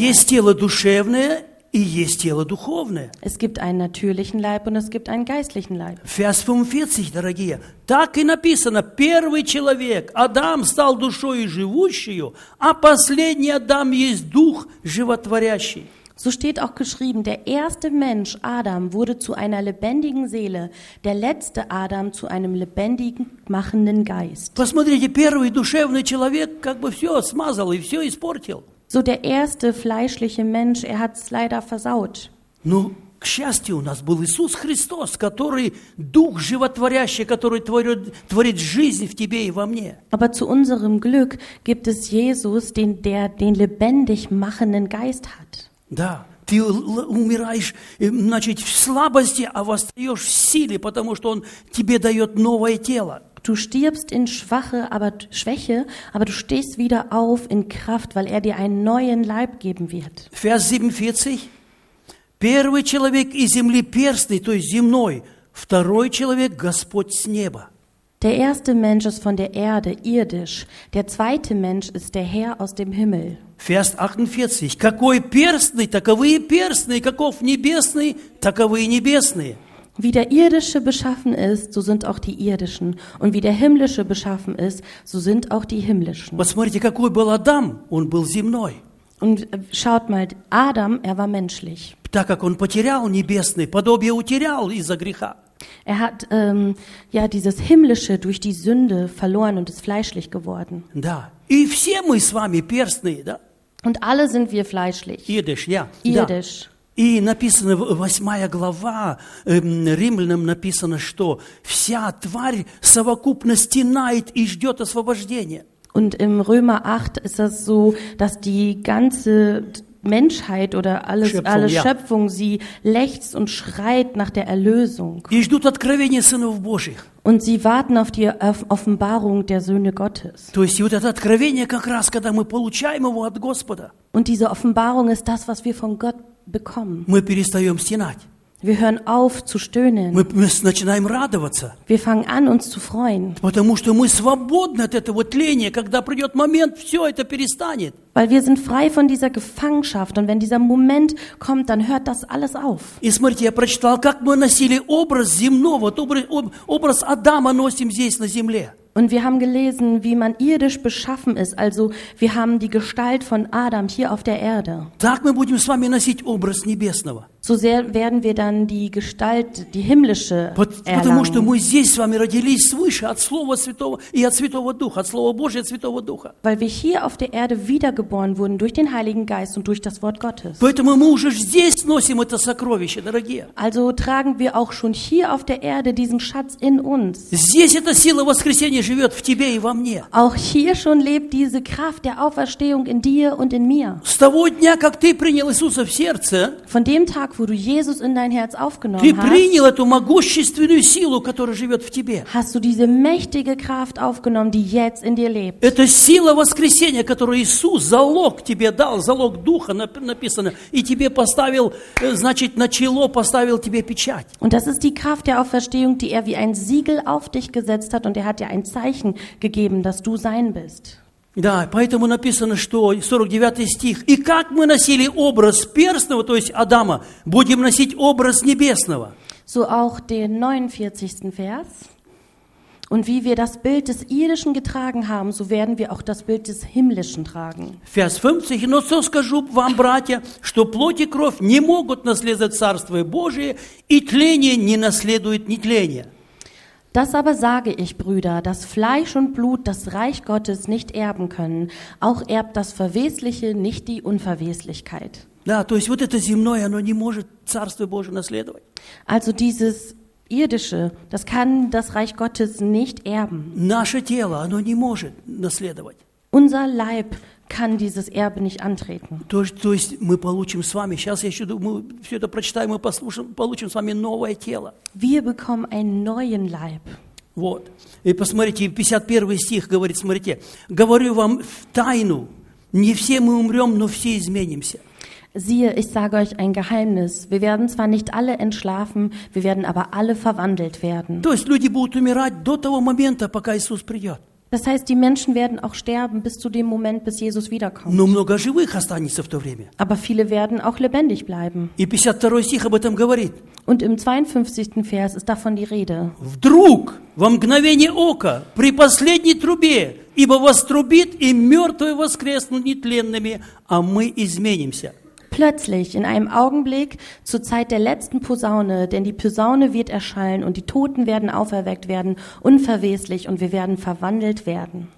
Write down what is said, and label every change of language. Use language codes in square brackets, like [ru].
[ru] Есть тело душевное и есть тело духовное. [de] Es gibt einen natürlichen Leib und es gibt einen geistlichen Leib. Vers 45, [ru] дорогие, так и написано, первый человек, Адам, стал душою живущую, а последний Адам есть дух животворящий. [de] So steht auch geschrieben, der erste Mensch, Adam, wurde zu einer lebendigen Seele, der letzte Adam zu einem lebendigen, machenden Geist. [ru] Посмотрите, первый душевный человек как бы все смазал и все испортил. [de] So der erste fleischliche Mensch, er hat es leider versaut. [ru] Ну, к счастью, у нас был Иисус Христос, который Дух животворящий, который творит жизнь в тебе и во мне. [de] Aber zu unserem Glück gibt es Jesus, der den lebendig machenden Geist hat. [ru] Да, ты умираешь, значит, в слабости, а восстаешь в силе, потому что Он тебе дает новое тело. [de] Du stirbst in Schwäche, aber du stehst wieder auf in Kraft, weil er dir einen neuen Leib geben wird. Vers 47. [ru] Первый человек из земли перстный, то есть земной, второй человек Господь с неба. [de] Der erste Mensch ist von der Erde, irdisch. Der zweite Mensch ist der Herr aus dem Himmel. Vers 48. [ru] Какой перстный, таковы и перстные, каков небесный, таковы и небесные. [de] Wie der irdische beschaffen ist, so sind auch die irdischen. Und wie der himmlische beschaffen ist, so sind auch die himmlischen. [ru] Посмотрите, какой был Адам, он был земной. [de] Und schaut mal, Adam, er war menschlich. [ru] Так как он потерял небесный, подобие утерял из-за греха. [de] Er hat ja dieses himmlische durch die Sünde verloren und ist fleischlich geworden. [ru] Да. И все мы с вами перстные, да? [de] Und alle sind wir fleischlich. Irdisch, ja. Irdisch. [ru] Да. И написано, 8 глава Римлянам написано, что вся тварь совокупно стенает и ждет освобождения. [de] Und im Römer 8 ist das so, dass die ganze Menschheit oder alles, Schöpfung, alle Schöpfung, ja. Sie lechzt und schreit nach der Erlösung. [ru] И ждут откровения сынов Божьих. [de] Und sie warten auf die Offenbarung der Söhne Gottes. [ru] То есть вот это откровение как раз, когда мы получаем его от Господа. [de] Und diese Offenbarung ist das, was wir von Gott bekommen. [ru] Мы перестаем стенать. [de] Wir hören auf zu stöhnen. [ru] Мы начинаем радоваться. [de] Wir fangen an, uns zu freuen. [ru] Потому что мы свободны от этого тления, когда придет момент, все это перестанет. [de] Weil wir sind frei von dieser Gefangenschaft und wenn dieser Moment kommt, dann hört das alles auf. [ru] И смотрите, я прочитал, как мы носили образ земного, образ Адама носим здесь на земле. [de] Und wir haben gelesen, wie man irdisch beschaffen ist, also wir haben die Gestalt von Adam hier auf der Erde. [ru] Так мы будем с вами носить образ небесного. [de] So sehr werden wir dann die Gestalt, die himmlische erlangen. [ru] Потому что мы здесь с вами родились свыше от Слова Святого и от Святого Духа, от Слова Божия и от Святого Духа. [de] Weil wir hier auf der Erde wiedergeboren wurden durch den Heiligen Geist und durch das Wort Gottes. [ru] Поэтому мы уже здесь носим это сокровище, дорогие. [de] Also tragen wir auch schon hier auf der Erde diesen Schatz in uns. [ru] Здесь эта сила воскресения живет в тебе и во мне. [de] Auch hier schon lebt diese Kraft der Auferstehung in dir und in mir. [ru] С того дня, как ты принял Иисуса в сердце, [de] von dem Tag, wo du Jesus in dein Herz aufgenommen hast, hast du diese mächtige Kraft aufgenommen, die jetzt in dir lebt. [ru] Это сила воскресения, которую Иисус залог тебе дал, залог Духа написано, и тебе поставил, значит, на чело поставил тебе печать. [de] Und das ist die Kraft der Auferstehung, die er wie ein Siegel auf dich gesetzt hat und er hat dir ein Zeichen gegeben, dass du sein bist. [ru] Да, поэтому написано, что 49 стих. И как мы носили образ перстного, то есть Адама, будем носить образ небесного. [de] So auch den 49. Vers. Und wie wir das Bild des Irdischen getragen haben, so werden wir auch das Bild des Himmlischen tragen. Vers 50. [ru] Но что скажу вам, братья, что плоть и кровь не могут наследовать Царство Божие, и тление не наследует нетление. [de] Das aber sage ich, Brüder, dass Fleisch und Blut das Reich Gottes nicht erben können. Auch erbt das Verwesliche nicht die Unverweslichkeit. [ru] Да, то есть вот это земное, оно не может Царство Божие наследовать. [de] Also dieses Irdische, das kann das Reich Gottes nicht erben. [ru] Наше тело, оно не может наследовать. [de] Unser Leib kann dieses Erbe nicht antreten. [ru] То есть мы получим с вами, сейчас я еще думаю, все это прочитаем и послушаем, получим с вами новое тело. [de] Wir bekommen einen neuen Leib. [ru] Вот. И посмотрите, 51 стих говорит, смотрите, говорю вам в тайну, не все мы умрем, но все изменимся. [de] Siehe, ich sage euch ein Geheimnis. Wir werden zwar nicht alle entschlafen, wir werden aber alle verwandelt werden. [ru] То есть люди будут умирать до того момента, пока Иисус придет. [de] Das heißt, die Menschen werden auch sterben bis zu dem Moment, bis Jesus wiederkommt. [ru] Но много живых останется в то время. [de] Aber viele werden auch lebendig bleiben. [ru] И 52 стих об этом говорит. [de] Und im 52. Vers ist davon die Rede. [ru] Вдруг, во мгновение ока, при последней трубе, ибо вострубит, и мертвые воскреснут нетленными, а мы изменимся. [de] plötzlich, in einem Augenblick, zur Zeit der letzten Posaune, denn die Posaune wird erschallen und die Toten werden auferweckt werden, unverweslich, und wir werden verwandelt werden.